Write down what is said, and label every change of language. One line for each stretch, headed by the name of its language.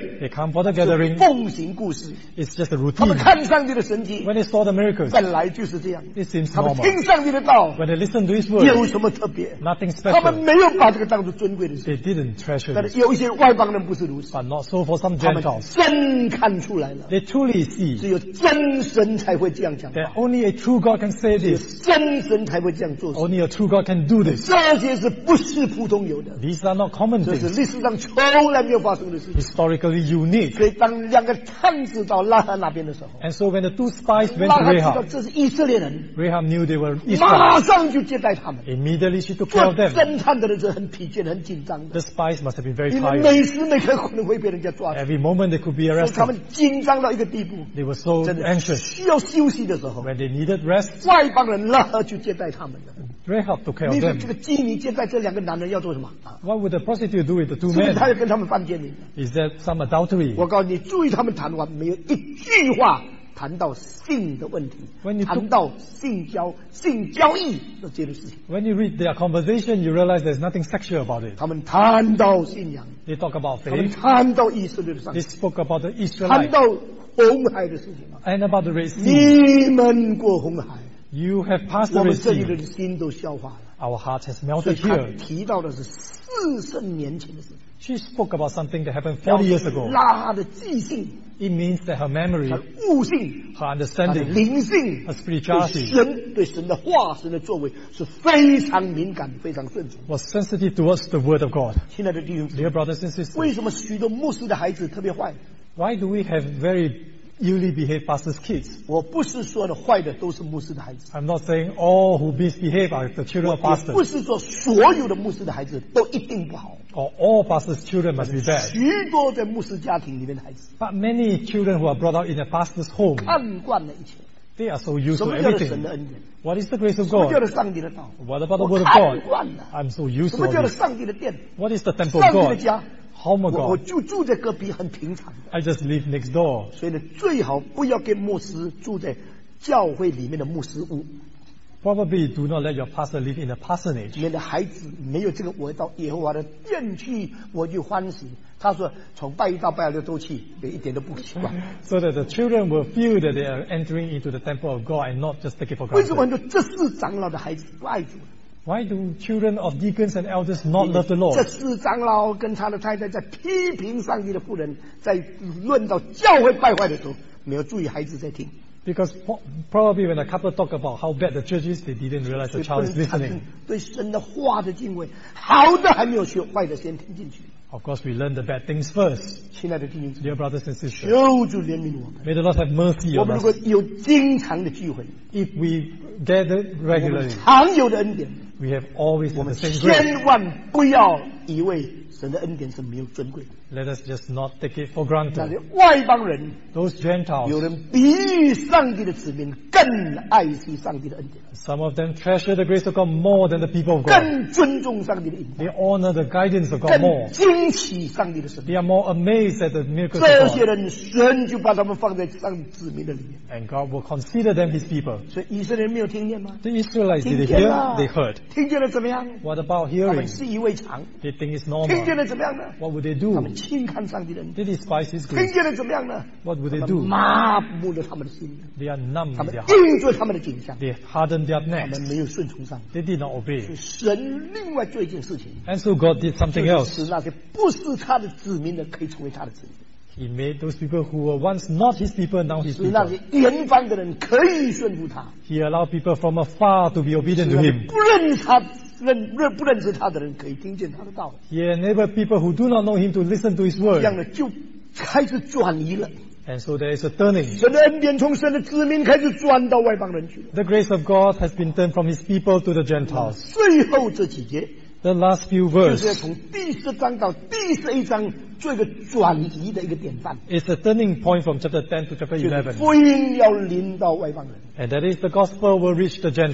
English: They come for the gathering.
Chinese: 是奉行故事。
English: It's just a routine.
Chinese: 他们看上帝的神迹。
English: When they saw the miracles.
Chinese: 本来就是这样。
English: It seems normal.
Chinese: 他们听上帝的道。
English: When they listen to His word.
Chinese: 有什么特别
English: ？Nothing special.
Chinese: 他们没有把这个当作尊贵的事。
English: They didn't treasure.
Chinese: 但是有一些。外邦人不是如此
English: ，but not so for some Gentiles.
Chinese: 他们真看出来了
English: ，they truly see.
Chinese: 只有真神才会这样讲话
English: ，that only a true God can say this.
Chinese: 真神才会这样做
English: ，only a true God can do this.
Chinese: 这些是不是普通有的
English: ？These are not common things.
Chinese: 这是历史上从来没有发生的事情
English: ，historically unique.
Chinese: 所以当两个探子到拉哈那边的时候
English: ，and so when the two spies went to Rahab,
Chinese: 这是以色列人
English: ，Rahab knew they were Israelites.
Chinese: 马上就接待他们
English: ，immediately she took care of them.
Chinese: 侦探的人是很疲倦、很紧张的
English: ，the spies must have been very tired.
Chinese: 每时每刻可能会被人家抓住。
English: Every moment they could be arrested.
Chinese: 他们紧张到一个地步。
English: They were so anxious.
Chinese: 需要休息的时候。
English: When they needed rest.
Chinese: 外邦人拉合就接待他们了。
English: Rahab took care of them.
Chinese: 这个妓女接待这两个男人要做什么
English: ？What would the prostitute do with the two men?
Chinese: 是不是他要跟他们犯奸淫
English: ？Is that some adultery?
Chinese: 我告诉你，注意他们谈话，没有一句话谈到性的问题，
English: When you
Chinese: 谈到性交、性交易这件事情。
English: When you read their conversation, you realize there's nothing sexual about it.
Chinese: 他们谈到信仰。
English: They talk about faith.
Chinese: 他们谈到以色列的上帝。
English: They spoke about the Israelites.
Chinese: 谈到红海的事情。
English: And about the Red Sea.
Chinese: 你们过红海。
English: You have passed the Red Sea.
Chinese: 我们这里的心都消化了。
English: Our heart has melted here.
Chinese: 所以他提到的是40年前的事情。
English: She spoke about something that happened 40 years ago.
Chinese: 拉哈的记性。
English: It means that her memory,
Chinese: 她的悟性，
English: her understanding,
Chinese: 她的灵性，
English: her spirituality,
Chinese: 对神的话、神的作为是非常敏感、非常顺从。
English: Was sensitive towards the word of God.
Chinese: 亲爱的弟兄姊妹
English: dear brothers and sisters,
Chinese: 为什么许多牧师的孩子特别坏？
English: Why do we have very newly behaved pastors' kids?
Chinese: 我不是说的坏的都是牧师的孩子。
English: I'm not saying all who misbehave are the children of pastors.
Chinese: 我不是说所有的牧师的孩子都一定不好。
English: Or all pastors' children must be bad.
Chinese: 许多在牧师家庭里面的孩子。
English: But many children who are brought up in a pastor's home.
Chinese: 看惯了一切。
English: They are so used to everything.
Chinese: 什么叫神的恩典？
English: What is the grace of God?
Chinese: 什么叫上帝的道？
English: What about the word of God?
Chinese: 我看惯了。
English: I'm so used to.
Chinese: 什么叫上帝的殿？
English: What is the temple of God?
Chinese: 上帝的家。
English: Home of God.
Chinese: 我就住在隔壁，很平常的。
English: I just live next door.
Chinese: 所以呢，最好不要跟牧师住在教会里面的牧师屋。
English: Probably do not let your pastor live in a parsonage.
Chinese: 免得孩子没有这个，我到耶和华的殿去，我就欢喜。他说，从拜一到拜六都去，也一点都不奇怪。
English: So that the children will feel that they are entering into the temple of God and not just take it for granted.
Chinese: 为什么很多这是长老的孩子不爱主？
English: Why do children of deacons and elders not love the Lord?
Chinese: 这是长老跟他的太太在批评上帝的仆人，在论到教会败坏的时候，没有注意孩子在听。
English: Because probably when a couple talk about how bad the church is, they didn't realize the child is listening.
Chinese: 对神的话的敬畏，好的还没有学，坏的先听进去。
English: Of course, we learn the bad things first.
Chinese: 亲爱的弟兄姊妹,
English: dear brothers and sisters,
Chinese: 求主怜悯我们。
English: May the Lord have mercy on us.
Chinese: 我们如果有经常的聚会,
English: if we gather regularly,
Chinese: 我们常有的恩典,
English: we have always been the same grace.
Chinese: 我们千万不要以为神的恩典是没有尊贵。
English: Let us just not take it for granted.
Chinese: 那些外邦人,
English: those Gentiles,
Chinese: 有人比上帝的子民更爱惜上帝的恩典。
English: Some of them treasure the grace of God more than the people of God.
Chinese: 更尊重上帝的恩典。
English: They honor the guidance of God more.
Chinese: 更惊奇上帝的神。
English: They are more amazed at the miracles of God.
Chinese: 这些人神就把他们放在上帝子民的里面。
English: And God will consider them His people.
Chinese: 所以以色列人没有听见吗？
English: The Israelites, did they hear? They heard.
Chinese: 听见了怎么样？
English: What about hearing?
Chinese: 他们习以为常。
English: They think it's normal.
Chinese: 听见了怎么样呢？
English: What would they do?
Chinese: 他们轻看上帝的恩典。
English: They despise His grace.
Chinese: 听见了怎么样呢？
English: What would they do?
Chinese: 麻木了他们的心。
English: They are numb.
Chinese: 他们定住他们的景象。
English: They hardened their necks.
Chinese: 他们没有顺从上帝。
English: They did not obey.
Chinese: 神另外做一件事情。
English: And so God did something else.
Chinese: 就是使那些不是他的子民的可以成为他的子民。
English: He made those people who were once not his people now his people.
Chinese: 使那些远方的人可以顺服他。
English: He allowed people from afar to be obedient to him.
Chinese: 不认他。不认识他的人可以听见他的道。
English: He enabled people who do not know him to listen to his word.
Chinese: 这样的就开始转移了。
English: And so there is a turning.
Chinese: 神的恩典从神的子民开始转到外邦人去。
English: The grace of God has been turned from his people to the Gentiles.
Chinese: 最后这几节。
English: The last few verses.
Chinese: 就是要从第十章到第十一章做一个转移的一个典范。
English: It's a turning point from chapter 10 to chapter 11.
Chinese: 福音要临到外邦人。
English: And that is the gospel will reach the Gentiles.